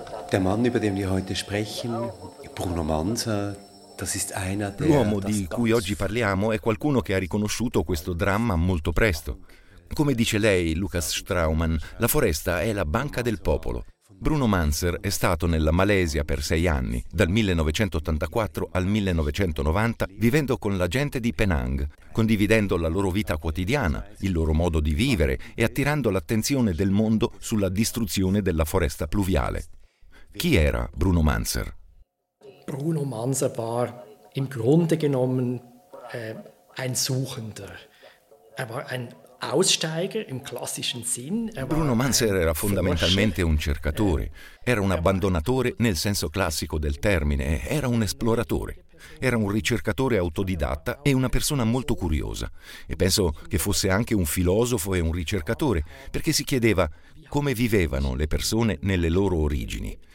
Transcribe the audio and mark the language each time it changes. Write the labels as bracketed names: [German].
[German] Der Mann, über den wir heute sprechen, Bruno Mansa, [Italian] l'uomo di cui oggi parliamo è qualcuno che ha riconosciuto questo dramma molto presto. Come dice lei, Lukas Straumann, la foresta è la banca del popolo. Bruno Manser è stato nella Malesia per 6 anni, dal 1984 al 1990, vivendo con la gente di Penang, condividendo la loro vita quotidiana, il loro modo di vivere e attirando l'attenzione del mondo sulla distruzione della foresta pluviale. Chi era Bruno Manser? [German] Bruno Manser war im Grunde genommen ein Suchender. Er war ein Aussteiger im klassischen Sinn. [Italian] Bruno Manser era fondamentalmente un cercatore. Era un abbandonatore nel senso classico del termine. Era un esploratore. Era un ricercatore autodidatta e una persona molto curiosa. E penso che fosse anche un filosofo e un ricercatore, perché si chiedeva come vivevano le persone nelle loro origini.